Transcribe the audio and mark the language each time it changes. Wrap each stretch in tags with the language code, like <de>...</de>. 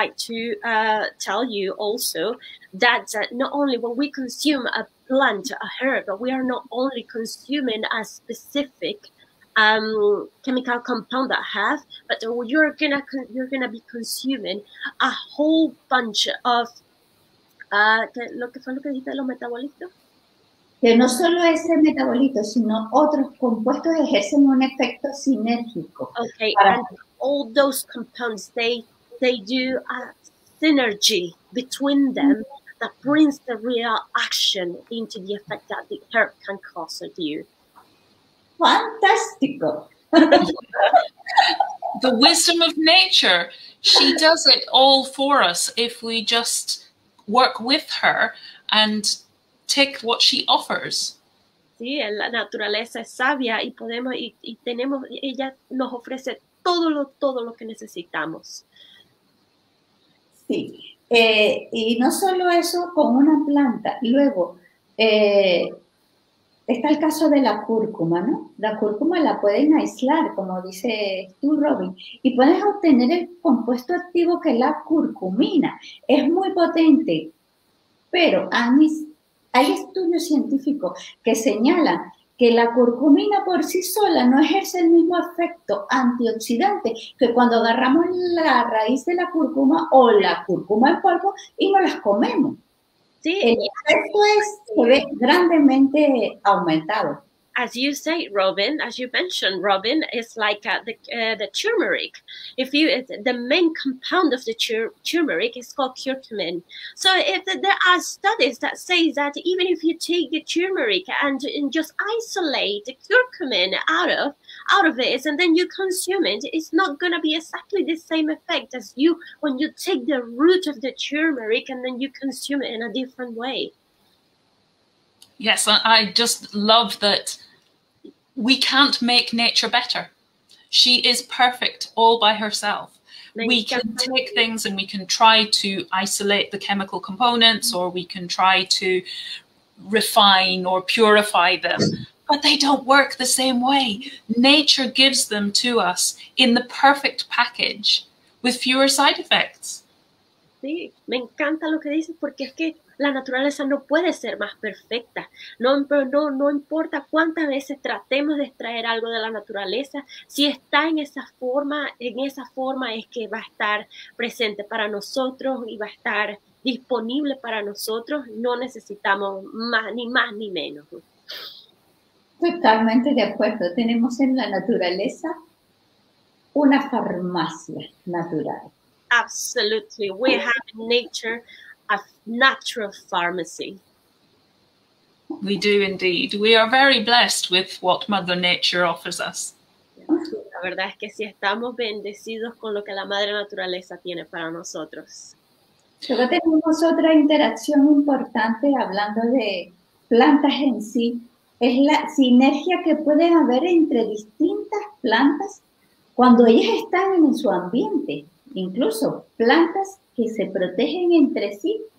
<en>I would like to tell you also that not only when we consume a plant, a herb, but we are not only consuming a specific chemical compound that have, but you're gonna be consuming a whole bunch of</en> <es>lo que fue lo que dijiste de los metabolitos. que no solo ese metabolito, sino otros compuestos ejercen un efecto sinérgico</es> <en>Okay,</en> <es>para.</es> <en>and all those compounds, they do a synergy between them that brings the real action into the effect that the herb can cause on you.</en> <es>Fantástico.</es> <en>The wisdom of nature, she does it all for us if we just work with her and take what she offers.</en> <es>Sí, la naturaleza es sabia y podemos y tenemos, ella nos ofrece todo lo que necesitamos. Sí, y no solo eso con una planta, luego está el caso de la cúrcuma, ¿no? La cúrcuma la pueden aislar, como dices tú, Robin, y puedes obtener el compuesto activo que es la curcumina. Es muy potente, pero hay estudios científicos que señalan que la curcumina por sí sola no ejerce el mismo efecto antioxidante que cuando agarramos la raíz de la cúrcuma o la cúrcuma en polvo y nos las comemos. Sí, El efecto se ve grandemente aumentado.</es> <en>as you say, Robin, as you mentioned, Robin, it's like the turmeric. If you it's the main compound of the turmeric is called curcumin. So if there are studies that say that even if you take the turmeric and just isolate the curcumin out of this and then you consume it, it's not going to be exactly the same effect as you when you take the root of the turmeric and then you consume it in a different way. Yes, I just love that we can't make nature better. She is perfect all by herself. We can take Definitely. things and we can try to isolate the chemical components, or we can try to refine or purify them, but they don't work the same way. Nature gives them to us in the perfect package with fewer side effects.</en> <es>Sí, me encanta lo que dices porque es que la naturaleza no puede ser más perfecta. No importa cuántas veces tratemos de extraer algo de la naturaleza, si está en esa forma es que va a estar presente para nosotros y va a estar disponible para nosotros. No necesitamos más ni menos. Totalmente de acuerdo, tenemos en la naturaleza una farmacia natural.</es> <en>Absolutely, we have nature, a natural pharmacy. We do indeed. We are very blessed with what Mother Nature offers us.</en> <es>Sí, la verdad es que sí estamos bendecidos con lo que la madre naturaleza tiene para nosotros. Luego tenemos otra interacción importante hablando de plantas en sí. Es la sinergia que puede haber entre distintas plantas cuando ellas están en su ambiente, incluso plantas que se protegen entre sí.</es>